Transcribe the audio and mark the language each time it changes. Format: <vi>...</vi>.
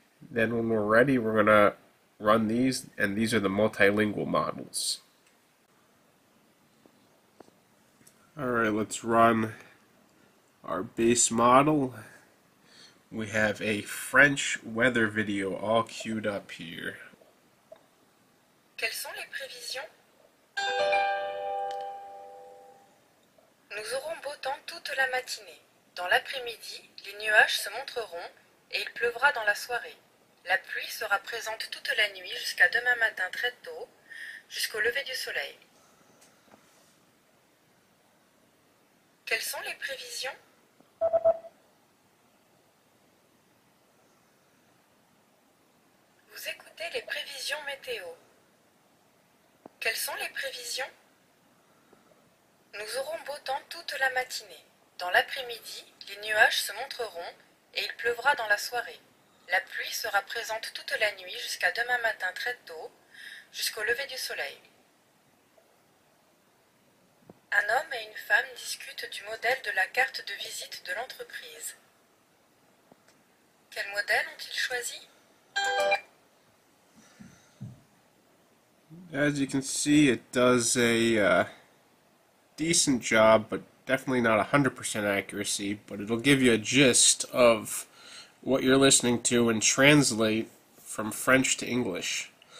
<en>Then when we're ready, we're going to run these, and these are the multilingual models. All right, let's run our base model. We have a French weather video all queued up here.</en> <fr>Quelles sont les prévisions? Nous aurons beau temps toute la matinée. Dans l'après-midi, les nuages se montreront et il pleuvra dans la soirée. La pluie sera présente toute la nuit jusqu'à demain matin très tôt, jusqu'au lever du soleil. Quelles sont les prévisions? Vous écoutez les prévisions météo. Quelles sont les prévisions? Nous aurons beau temps toute la matinée. Dans l'après-midi, les nuages se montreront et il pleuvra dans la soirée. La pluie sera présente toute la nuit jusqu'à demain matin très tôt, jusqu'au lever du soleil. Un homme et une femme discutent du modèle de la carte de visite de l'entreprise. Quel modèle ont-ils choisi?</fr> <en>As you can see, it does a decent job, but definitely not 100% accuracy. But it'll give you a gist of what you're listening to and translate from French to English.</en>